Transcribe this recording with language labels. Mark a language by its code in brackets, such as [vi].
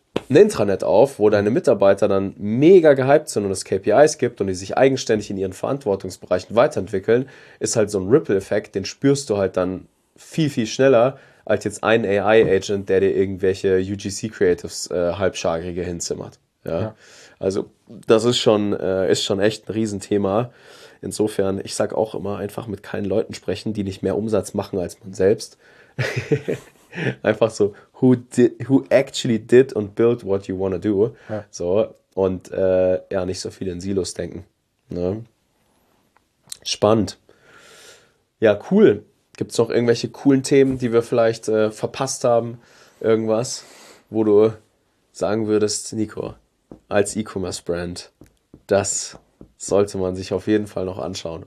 [de] ein Intranet auf, wo deine Mitarbeiter dann mega gehypt sind und es KPIs gibt und die sich eigenständig in ihren Verantwortungsbereichen weiterentwickeln, ist halt so ein Ripple-Effekt, den spürst du halt dann viel, viel schneller als jetzt ein AI-Agent, der dir irgendwelche UGC-Creatives halbscharige hinzimmert. Ja? Ja. Also das ist schon echt ein Riesenthema. Insofern, ich sag auch immer, einfach mit keinen Leuten sprechen, die nicht mehr Umsatz machen als man selbst. Einfach so, [en] who actually did and built what you wanna do. [de] Ja. So, und ja, nicht so viel in Silos denken. Ne? Spannend. Ja, cool. Gibt es noch irgendwelche coolen Themen, die wir vielleicht verpasst haben? Irgendwas, wo du sagen würdest, Nico, als E-Commerce-Brand, das sollte man sich auf jeden Fall noch anschauen.